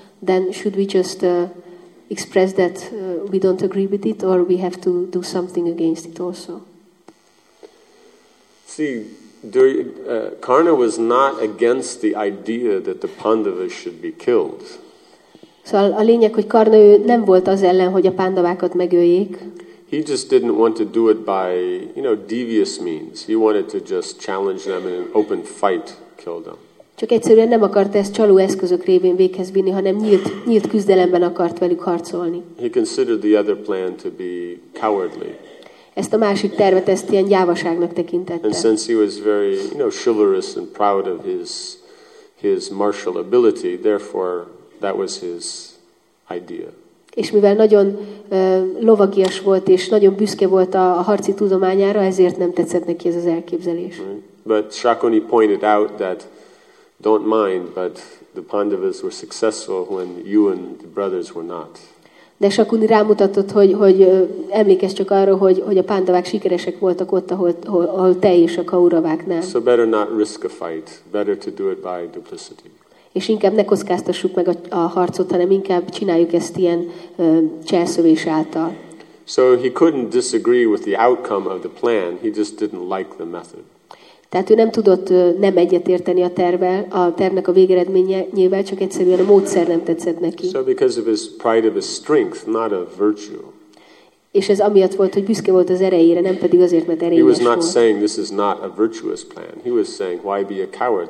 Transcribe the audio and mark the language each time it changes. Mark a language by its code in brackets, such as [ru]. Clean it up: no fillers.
[en] Then should we just express that we don't agree with it, or we have to do something against it also? See. Karna was not against the idea that the Pandavas should be killed. [hu] Szóval a lényeg, hogy Karna nem volt az ellen, hogy a Pandavákat megöljék. [en] He just didn't want to do it by, you know, devious means. He wanted to just challenge them in an open fight, kill them. [hu] Csak egyszerűen nem akart ezt csaló eszközök révén véghez vinni, hanem nyílt küzdelemben akart velük harcolni. [en] He considered the other plan to be cowardly. [hu] Ezt a másik tervet, ezt ilyen gyávaságnak tekintette. [en] And since he was very, you know, chivalrous and proud of his martial ability, therefore that was his idea. [hu] És mivel nagyon lovagias volt és nagyon büszke volt a harci tudományára, ezért nem tetszett neki ez az elképzelés. [en] But Shakuni pointed out that don't mind, but the Pandavas were successful when you and the brothers were not. [hu] De Shakuni rámutatott, hogy emlékezz csak arra, hogy a Pandavák sikeresek voltak ott, ahol te és a Kauravák nem. [en] So better not risk a fight, better to do it by duplicity. [hu] És inkább ne kockáztassuk meg a harcot, hanem inkább csináljuk ezt ilyen cselszövés által. [en] So he couldn't disagree with the outcome of the plan, he just didn't like the method. [hu] Tehát ő nem tudott nem egyetérteni a tervnek a végeredményével, csak egyszerűen a módszer nem tetszett neki. [en] So because of his pride of his strength, not of virtue. [hu] És ez amiatt volt, hogy büszke volt az erejére, nem pedig azért, mert erényes volt. [en] He was not saying this is not a virtuous plan. He was saying why be a coward?